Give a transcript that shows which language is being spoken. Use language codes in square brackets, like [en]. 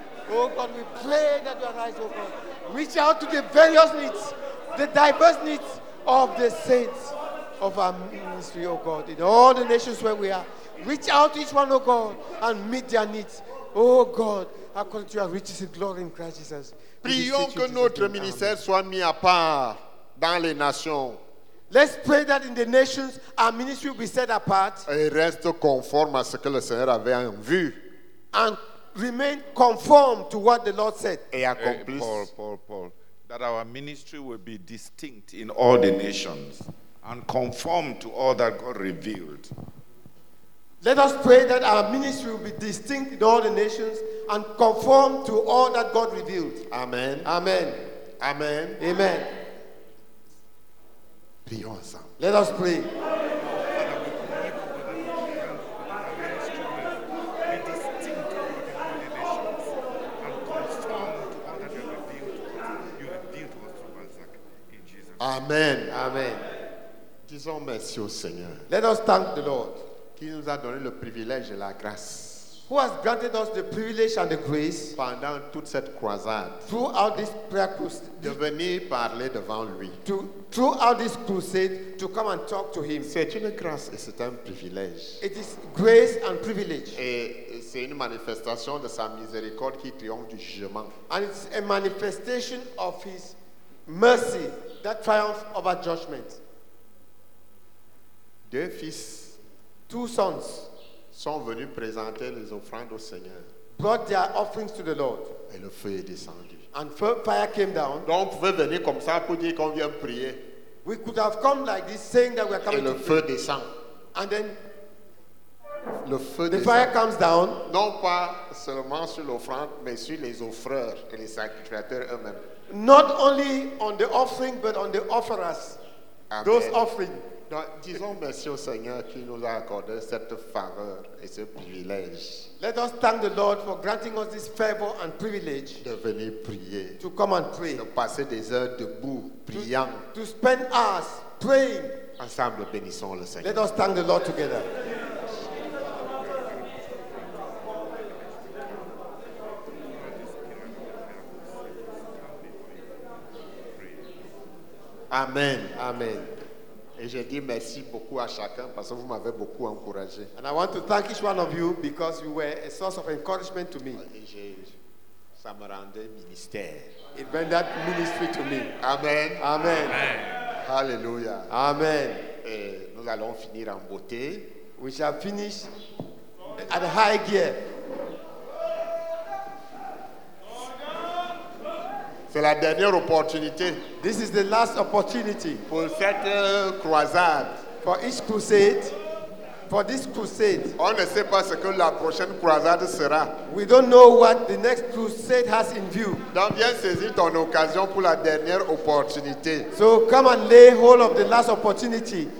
[en] Oh God, we pray that your eyes, oh God, reach out to the various needs, the diverse needs of the saints of our ministry, oh God, in all the nations where we are. Reach out to each one, oh God, and meet their needs. Oh God, according to your riches in glory in Christ Jesus. [fr] Prions que notre ministère soit mis à part dans les nations. [en] Let's pray that in the nations our ministry will be set apart. [fr] Et reste conforme à ce que le Seigneur avait en vue. [en] And remain conform to what the Lord said. [fr] Et accomplisse. [en] Paul. That our ministry will be distinct in all the nations and conform to all that God revealed. Let us pray that our ministry will be distinct in all the nations and conform to all that God revealed. Amen. Amen. Amen. Amen. Amen. Let us pray. Amen. Amen. [fr] Disons merci au Seigneur. [en] Let us thank the Lord. [fr] Qui nous a donné le privilège et la grâce. [en] Who has granted us the privilege and the grace. [fr] Pendant toute cette croisade. [en] Throughout this prayer crusade. [fr] De venir parler devant lui. [en] Throughout this crusade, to come and talk to him. [fr] C'est une grâce et c'est un privilège. [en] It is grace and privilege. [fr] Et c'est une manifestation de sa miséricorde qui triomphe du jugement. [en] And it's a manifestation of his mercy that triumphs over judgment. [fr] Deux fils, [en] two sons, [fr] sont venus présenter les offrandes au Seigneur. [en] Brought their offerings to the Lord. [fr] Et le feu est descendu. [en] And fire came down. [fr] Donc, vous pouvez venir comme ça pour dire qu'on vient prier. [en] We could have come like this, saying that we are coming. [fr] Et le feu descend. [en] And then, [fr] le feu [en] descend. The fire comes down. [fr] Non pas seulement sur l'offrande, mais sur les offreurs et les sacrificateurs eux-mêmes. [en] Not only on the offering, but on the offerers. Amen. Those offering. [fr] Donc, disons merci au Seigneur qui nous a accordé cette faveur et ce privilège. [en] Let us thank the Lord for granting us this favor and privilege. [fr] De venir prier. [en] To come and pray. [fr] De passer des heures debout priant. [en] To spend hours praying. [fr] Ensemble, bénissons le Seigneur. [en] Let us thank the Lord together. Amen. Amen. [fr] Et je dis merci beaucoup à chacun parce que vous m'avez beaucoup encouragé. [en] And I want to thank each one of you because you were a source of encouragement to me. [fr] Et ça me rendait ministère. [en] It rendered ministry to me. Amen. Amen. Amen. Hallelujah. Amen. [fr] Et nous allons finir en beauté. [en] We shall finish at high gear. [fr] C'est la dernière opportunité. [en] This is the last opportunity. [fr] Pour cette croisade. [en] For each crusade. For this crusade. [fr] On ne sait pas ce que la prochaine croisade sera. [en] We don't know what the next crusade has in view. [fr] Donc viens saisir ton occasion pour la dernière opportunité. [en] So come and lay hold of the last opportunity.